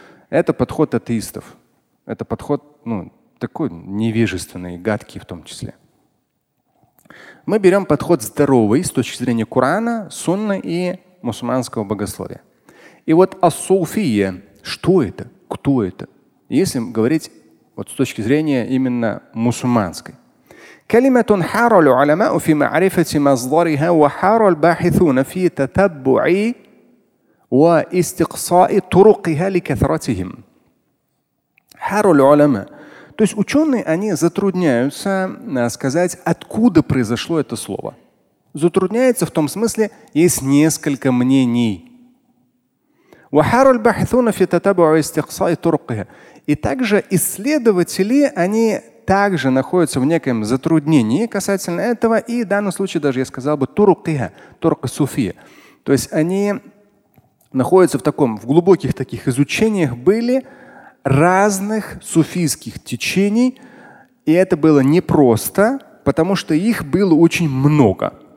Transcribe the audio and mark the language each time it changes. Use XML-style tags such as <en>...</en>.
<ru>Это подход атеистов. Это подход, ну, такой невежественный, гадкий в том числе. Мы берем подход здоровый с точки зрения Корана, Сунны и мусульманского богословия. И вот ас-суфия, что это? Кто это? Если говорить вот с точки зрения именно мусульманской.</ru> <ar>كلمة حار العلماء في معرفة مصدرها وحار الباحثون في تتبع واستقصاء طرقها لكثرتهم. حار العلماء.</ar> <ru>То есть ученые, они затрудняются сказать, откуда произошло это слово. Затрудняется в том смысле, есть несколько мнений.</ru> <ar>وحار الباحثون في تتبع واستقصاء طرقها.</ar> <ru>И также исследователи, они также находится в неком затруднении касательно этого, и в данном случае даже я сказал бы туркия, турка суфия. То есть они находятся в таком, в глубоких таких изучениях были разных суфийских течений, и это было непросто, потому что их было очень много.</ru>